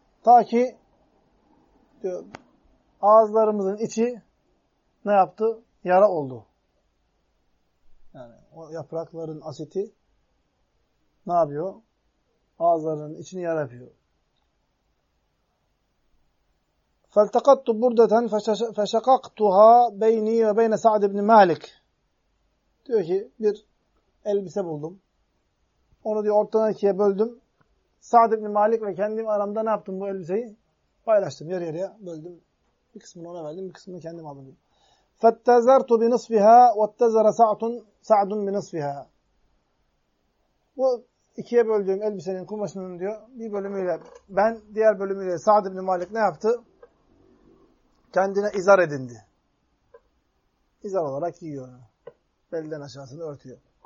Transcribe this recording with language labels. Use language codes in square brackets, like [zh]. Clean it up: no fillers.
[tr] Ta ki diyor, ağızlarımızın içi ne yaptı? Yara oldu. Yani o yaprakların asiti ne yapıyor? Ağızlarının içini yara yapıyor. [ar] فالتقطت بردة فشققتها بيني وبين سعد بن مالك. [tr] Diyor ki bir elbise buldum. Onu diyor ortadan ikiye böldüm. Sa'd ibn Malik ve kendim aramda ne yaptım bu elbiseyi? Paylaştım, yarı yarıya böldüm. Bir kısmını ona verdim, bir kısmını kendim aldım. [ar] فاتزرت بنصفها واتزر سعد بنصفها. [tr] Bu ikiye böldüğüm elbisenin kumaşının diyor bir bölümüyle ben, diğer bölümüyle Sa'd ibn Malik ne yaptı? Kendine izar edindi. İzar olarak giyiyor. Belden aşağısını örtüyor.